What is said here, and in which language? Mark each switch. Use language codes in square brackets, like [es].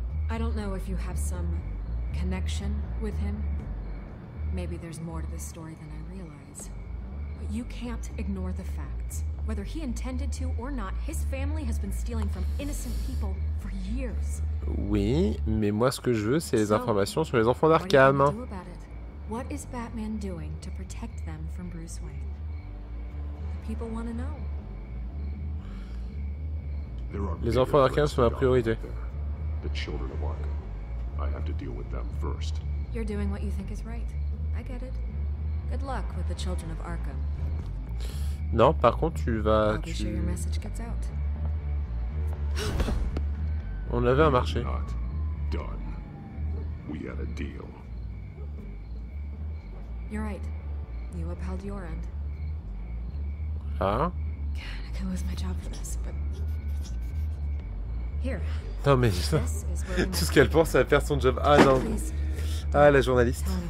[en] I don't know if you have some connection with him. Maybe there's more to this story than I realize. But you can't ignore the facts. Whether he intended to or not, his family has been stealing from innocent people for years. [fr] Oui, mais moi ce que je veux, c'est les informations sur les enfants d'Arkham. [en] What is Batman doing to protect them from Bruce Wayne? The people want to know. [fr] Les enfants d'Arkham sont ma priorité. [en] The children of Arkham. I have to deal with them first. You're doing what you think is right. I get it. Good luck with the children of Arkham. [fr] Non, par contre, tu vas [en] I'll be sure your message gets out. [fr] On avait un marché. [en] Not done. We had a deal. You're right. You upheld your end. Ah. God, I could lose my job for this, but [fr] non mais ça, tout ce qu'elle pense c'est à faire son job. Ah non, ah la journaliste.